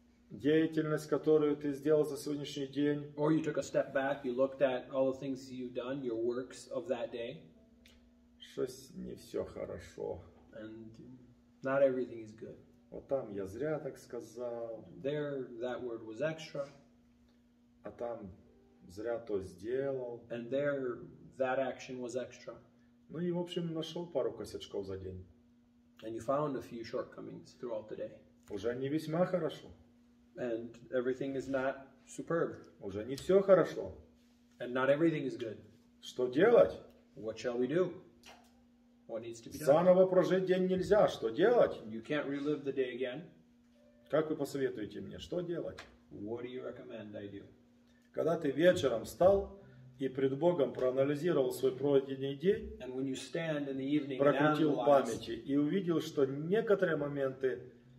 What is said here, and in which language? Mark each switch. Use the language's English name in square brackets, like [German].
[Russian] деятельность, которую ты сделал за сегодняшний день. [English] Or you took a step back, you looked at all the things you've done, your works of that day. [Russian] Что-то не все хорошо. [English] And not everything is good. [Russian] Вот там я зря так сказал. [English] There, that word was extra. [Russian] А там зря то сделал. [English] And there, that action was extra. [Russian] Ну и в общем нашел пару косячков за день. [English] And you found a few shortcomings throughout the day. [Russian] Уже не весьма хорошо. [English] And everything is not superb. [Russian] Уже не все хорошо. [English] And not everything is good. [Russian] Что делать? [English] What shall we do? What needs to be done? [Russian] Заново прожить день нельзя. Что делать? [English] You can't relive the day again. [Russian] Как вы посоветуете мне? Что делать? [English] What do you recommend I do? [Russian] Когда ты вечером встал и пред Богом проанализировал свой пройденный день, прокрутил в памяти и увидел, что некоторые моменты